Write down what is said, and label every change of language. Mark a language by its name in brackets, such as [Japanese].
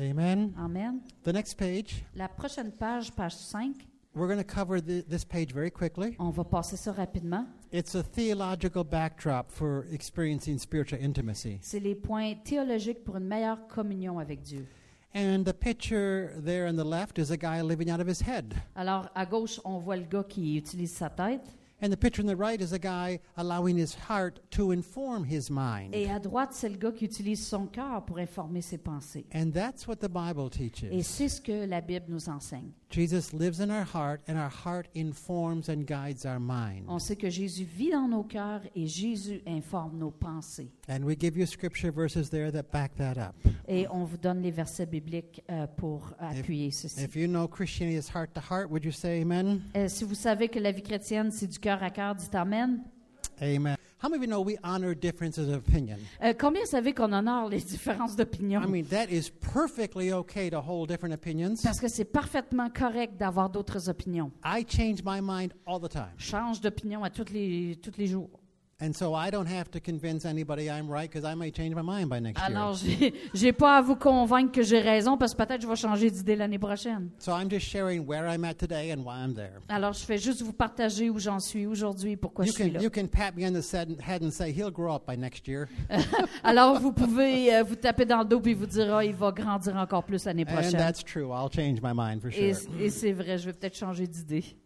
[English] Amen. Amen. The next page. [French] La prochaine page, page 5. [English] We're going to cover this page very quickly. [French] On va passer ça rapidement. [English] It's a theological backdrop for experiencing spiritual intimacy. [French] C'est les points théologiques pour une meilleure communion avec Dieu. [English] And the picture there on the left is a guy living out of his head. [French] Alors à gauche, on voit le gars qui utilise sa tête. [English] And the picture on the right is a guy allowing his heart to inform his mind. [French] Et à droite, c'est le gars qui utilise son cœur pour informer ses pensées. [English] And that's what the Bible teaches. [French] Et c'est ce que la Bible nous enseigne. [English] Jesus lives in our heart, and our heart informs and guides our mind. [French] On sait que Jésus vit dans nos cœurs et Jésus informe nos pensées. [English] And we give you scripture verses there that back that up. [French] Et on vous donne les versets bibliques pour appuyer ceci. [English] If you know Christianity is heart to heart, would you say amen? [French] Si vous savez que la vie chrétienne c'est du cœur à cœur, dites amen. [English] Amen. How many of you know we honor differences of opinion? [French] Combien savez qu'on honore les différences d'opinion? [English] I mean, that is perfectly okay to hold different opinions. [French] Parce que c'est parfaitement correct d'avoir d'autres opinions. [English] I change my mind all the time. [French] Change d'opinion à tous les jours. [English] And so I don't have to convince anybody I'm right because I may change my mind by next year. [French] Alors, j'ai pas à vous convaincre que j'ai raison parce que peut-être je vais changer d'idée l'année prochaine. [English] So I'm just sharing where I'm at today and why I'm there. [French] Alors, je fais juste vous partager où j'en suis aujourd'hui et pourquoi je suis là. [English] You can pat me on the head and say he'll grow up by next year. [French] Alors, vous pouvez vous taper dans le dos et vous dire oh, il va grandir encore plus l'année prochaine. [English] And that's true. I'll change my mind for sure. [French] Et c'est vrai, je vais peut-être changer d'idée.